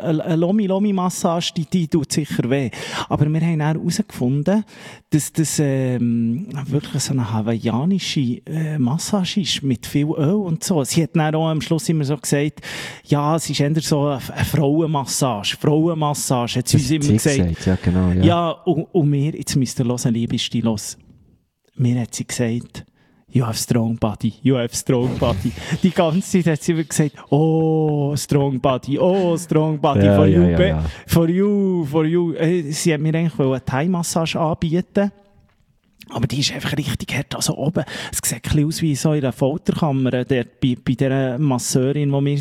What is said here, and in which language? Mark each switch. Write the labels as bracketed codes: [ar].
[de] Eine Lomi-Lomi-Massage, die tut sicher weh. Aber wir haben dann herausgefunden, dass das wirklich so eine hawaiianische Massage ist, mit viel Öl und so. Sie hat dann auch am Schluss immer so gesagt, ja, es ist eher so eine Frauenmassage. Frauenmassage, hat sie uns immer gesagt. Ja, genau. Ja, und wir, jetzt müsst ihr hören, liebste, los. Mir hat sie gesagt, [en] you have strong body, you have strong body. [de] Die ganze Zeit hat sie immer gesagt, oh, [en] strong body, [de] ja, for, ja, you, ja, ja. [en] For you. [de] Sie hat mir eigentlich eine Thai-Massage anbieten. Aber die ist einfach richtig hart, also oben. Es sieht ein bisschen aus wie so in einer Folterkammer, bei der Masseurin, wo wir